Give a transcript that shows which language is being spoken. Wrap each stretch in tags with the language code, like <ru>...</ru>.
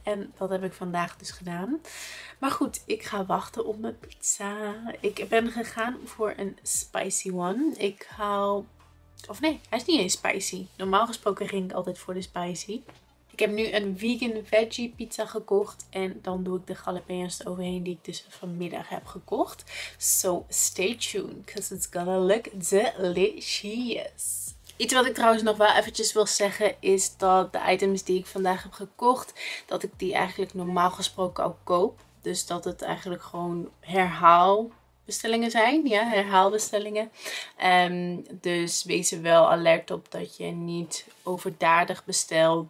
<nl>En dat heb ik vandaag dus gedaan. Maar goed, ik ga wachten op mijn pizza. Ik ben gegaan voor een</nl> <en>spicy one.</en> <nl>Ik haal... Of nee, hij is niet eens spicy. Normaal gesproken ging ik altijd voor de spicy. Ik heb nu een vegan veggie pizza gekocht. En dan doe ik de jalapeno's eroverheen die ik dus vanmiddag heb gekocht.</nl> <en>So stay tuned, because it's gonna look delicious.</en> <nl>Iets wat ik trouwens nog wel eventjes wil zeggen is dat de items die ik vandaag heb gekocht, dat ik die eigenlijk normaal gesproken al koop. Dus dat het eigenlijk gewoon herhaal. Bestellingen zijn, ja, herhaalbestellingen. Dus wees er wel alert op dat je niet overdadig bestelt.</nl>